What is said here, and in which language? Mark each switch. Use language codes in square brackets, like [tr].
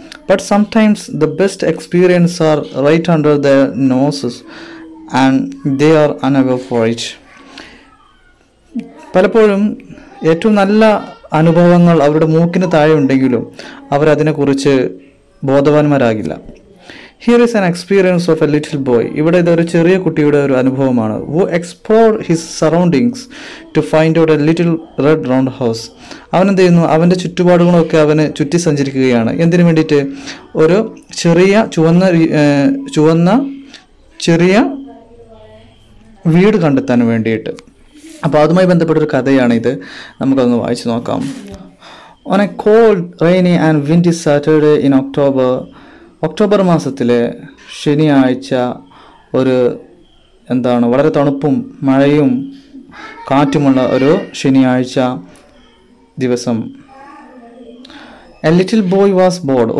[en] But sometimes the best experiences are right under the noses and they are unaware for it. [ml] പലപ്പോഴും ഏറ്റവും നല്ല അനുഭവങ്ങൾ അവരുടെ മൂക്കിന് താഴെ ഉണ്ടെങ്കിലും അവരതിനെക്കുറിച്ച് ബോധവാന്മാരാകില്ല. [en] Here is an experience of a little boy. [ml] ഇവിടെ ഇതൊരു ചെറിയ കുട്ടിയുടെ ഒരു അനുഭവമാണ്. [en] Who explored his surroundings to find out a little red round house. [ml] അവൻ എന്ത് ചെയ്യുന്നു, അവൻ്റെ ചുറ്റുപാടുകളൊക്കെ അവന് ചുറ്റി സഞ്ചരിക്കുകയാണ്. എന്തിനു വേണ്ടിയിട്ട്? ഒരു ചെറിയ ചുവന്ന ചെറിയ വീട് കണ്ടെത്താൻ വേണ്ടിയിട്ട്. അപ്പോൾ അതുമായി ബന്ധപ്പെട്ടൊരു കഥയാണിത്, നമുക്കതൊന്ന് വായിച്ചു നോക്കാം. [en] On a cold, rainy and windy Saturday in October, [ml] October മാസത്തിലെ ശനിയാഴ്ച, ഒരു എന്താണ് വളരെ തണുപ്പും മഴയും കാറ്റുമുള്ള ഒരു ശനിയാഴ്ച ദിവസം, [en] A little boy was bored.